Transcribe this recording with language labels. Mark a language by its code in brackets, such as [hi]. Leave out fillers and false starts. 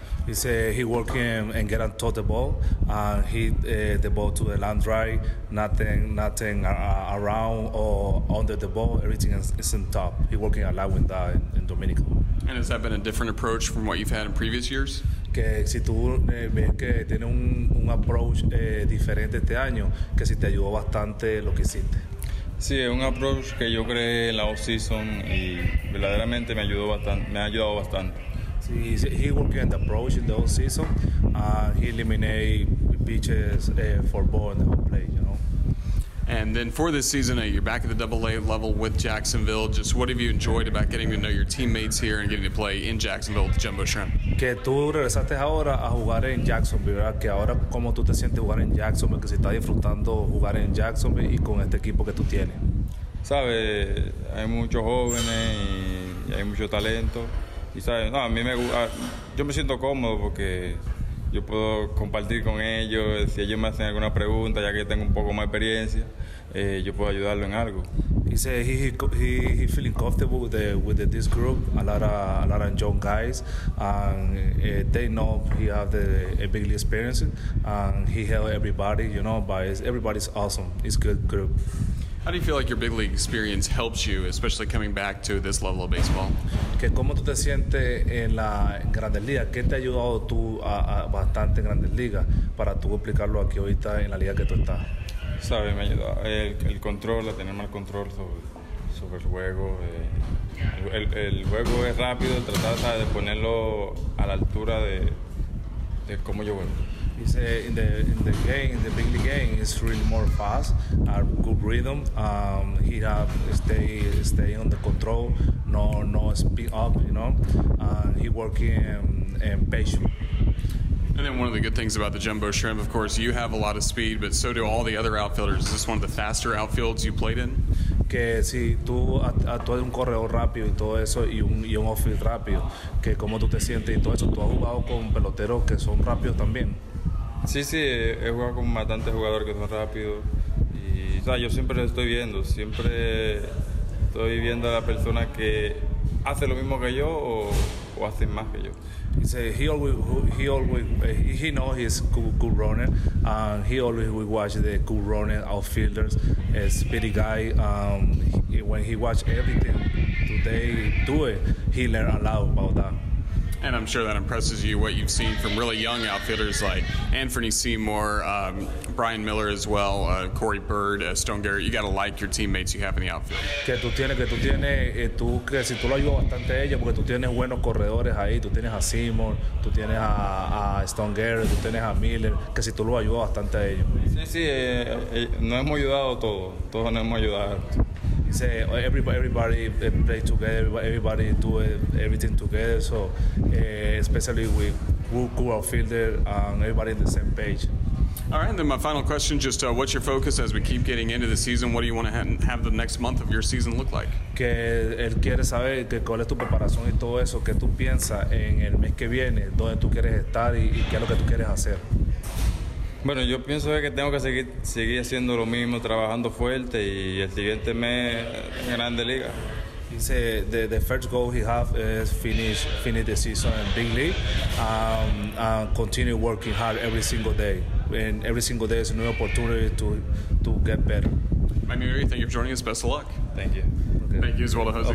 [en] He said he working and get on top of the ball and hit the ball to the land right, nothing around or under the ball, everything is on top. He working a lot with that in Dominican. And has that been a different approach from what you've had in previous years? [es] Que si tú ves que tiene un approach diferente este año, que si te ayudó bastante lo que hiciste. Sí, es un approach que yo creé en la off-season y verdaderamente me ha ayudado bastante. [en] He working on the approach in the whole season. He eliminate pitches for ball in the whole play, you know. And then for this season, you're back at the Double A level with Jacksonville. Just what have you enjoyed about getting to know your teammates here and getting to play in Jacksonville with Jumbo Shrimp? [es] Que tú regresaste ahora a jugar en Jacksonville, ¿verdad? Que ahora cómo tú te sientes jugar en Jacksonville, que si estás disfrutando jugar en Jacksonville y con este equipo que tú tienes. Sabe, hay muchos jóvenes y hay mucho talento. Y sabes, no, yo me siento cómodo porque yo puedo compartir con ellos. Si ellos me hacen alguna pregunta, ya que tengo un poco más experiencia, yo puedo ayudarlo en algo. [en] He said he feeling comfortable with this group, a lot of young guys, and they know he have a big experience, and he help everybody, you know. But everybody's awesome. It's a good group. How do you feel like your big league experience helps you, especially coming back to this level of baseball? [es] Que cómo tú te sientes en la Grandes Ligas, qué te ha ayudado tú a bastante en Grandes Ligas para tú aplicarlo aquí ahorita en la liga que tú estás. Sabes, me ayuda el control, a tener más control sobre el juego. El juego es rápido, tratar de ponerlo a la altura de cómo yo juego. [en] He said in the game, in the big league game, it's really more fast, good rhythm. He have stay on the control, no speed up, you know. He working and patient. And then one of the good things about the Jumbo Shrimp, of course, you have a lot of speed, but so do all the other outfielders. Is this one of the faster outfields you played in? [es] Que si tú actúas un corredor rápido y todo eso y un outfield rápido, que cómo tú te sientes y todo eso. Tú has jugado con peloteros que son rápidos también. Sí, he jugado con bastantes jugadores que son rápidos y o sea, yo siempre lo estoy viendo, siempre estoy viendo a la persona que hace lo mismo que yo o hace más que yo. [en] He said he knows he's a good runner, and he always will watch the good runner outfielders, a speedy guy. When he watch everything today do it, he learn a lot about that. And I'm sure that impresses you, what you've seen from really young outfielders like Anfernee Seymour, Brian Miller as well, Corey Bird, Stone Garrett. You got to like your teammates you have in the outfield. [es] Que tú tienes, si tú lo ayudas bastante a ellos, porque tú tienes buenos corredores ahí, tú tienes a Seymour, tú tienes a Stone Garrett, tú tienes a Miller, que si tú lo ayudas bastante a ellos. Sí, nos hemos ayudado todos nos hemos ayudado. [en] Say everybody play together, everybody do everything together, so especially with Wuku outfielder and everybody on the same page. All right, and then my final question, just what's your focus as we keep getting into the season? What do you want to have the next month of your season look like? [es] Que él quiere saber que cuál es tu preparación y todo eso, que tú piensas en el mes que viene, dónde tú quieres estar y qué es lo que tú quieres hacer. Bueno, yo pienso que tengo que seguir haciendo lo mismo, trabajando fuerte y el siguiente mes en Grande Liga. [en] He said the first goal he have is finish the season in Big League and continue working hard every single day. And every single day is a new opportunity to get better. Magna Uri, thank you for joining us. Best of luck. Thank you. Okay. Thank you as well to Jose